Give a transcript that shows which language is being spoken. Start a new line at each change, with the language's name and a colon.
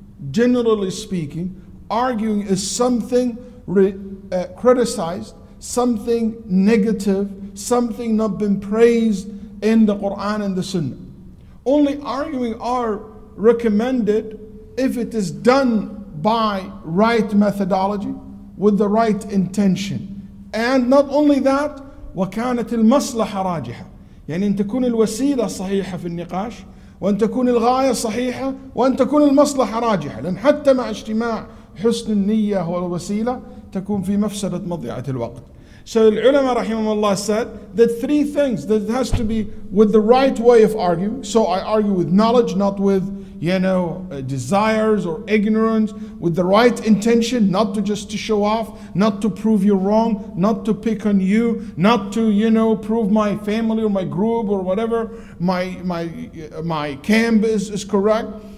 English: Generally speaking, arguing is something criticized, something negative, something not been praised in the Quran and the Sunnah. Only arguing are recommended if it is done by right methodology with the right intention. And not only that,
Arabic: وَكَانَتِ الْمَصْلَحَ رَاجِحَةً يعني أن تكون الوسيلة صحيحة في النقاش وأن تكون الغاية صحيحة وأن تكون المصلحة راجحة لأن حتى مع اجتماع حسن النية والوسيلة تكون في مفسدة مضيعة الوقت.
English: So the ulama
Arabic: رحمه الله
English: said that three things that it has to be with the right way of arguing. So I argue with knowledge, not with desires or ignorance, with the right intention, not to just to show off, not to prove you wrong, not to pick on you, not to prove my family or my group or whatever my camp is correct.